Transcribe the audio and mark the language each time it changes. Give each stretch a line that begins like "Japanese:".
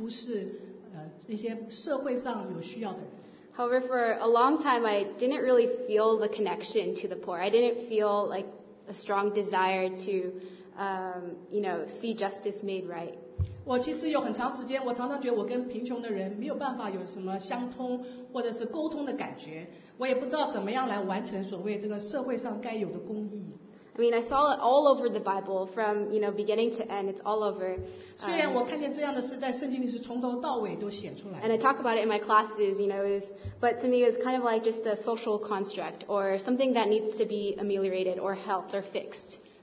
Chinese: 从那个时候开始，我就希望我的生命能够有一个明显的标号，就是谦卑的服侍那些社会上有需要的人。
English: However, for a long time, I didn't really feel the connection to the poor. I didn't feel like a strong desire to, you know, see justice made right.
Chinese: 我其实有很长时间，我常常觉得我跟贫穷的人没有办法有什么相通，或者是沟通的感觉。我也不知道怎么样来完成所谓这个社会上该有的公义。
English: I mean, I saw it all over the Bible, from you know beginning to end. It's all over.
Chinese: 虽然我看见这样的事在圣经里是从头到尾都显出来。
English: And I talk about it in my classes, you know, but to me it was kind of like just a social construct or something that needs to be ameliorated or helped or fixed.